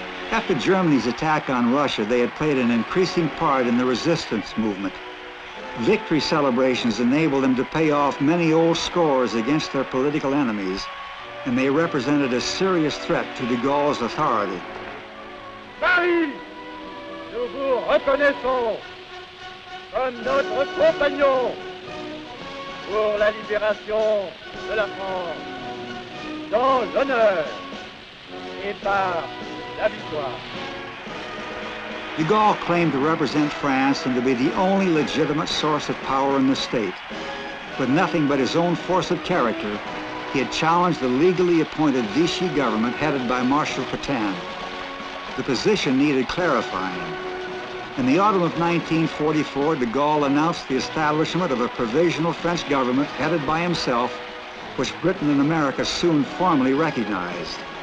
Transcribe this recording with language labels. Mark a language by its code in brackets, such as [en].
[en] After Germany's attack on Russia, they had played an increasing part in the resistance movement. Victory celebrations enabled them to pay off many old scores against their political enemies, and they represented a serious threat to De Gaulle's authority. Paris! [fr] Nous vous reconnaissons comme notre compagnon pour la libération de la France dans l'honneur et par la victoire. [en] De Gaulle claimed to represent France and to be the only legitimate source of power in the state. With nothing but his own force of character, he had challenged the legally appointed Vichy government headed by Marshal Pétain. The position needed clarifying. In the autumn of 1944, De Gaulle announced the establishment of a provisional French government headed by himself, which Britain and America soon formally recognized.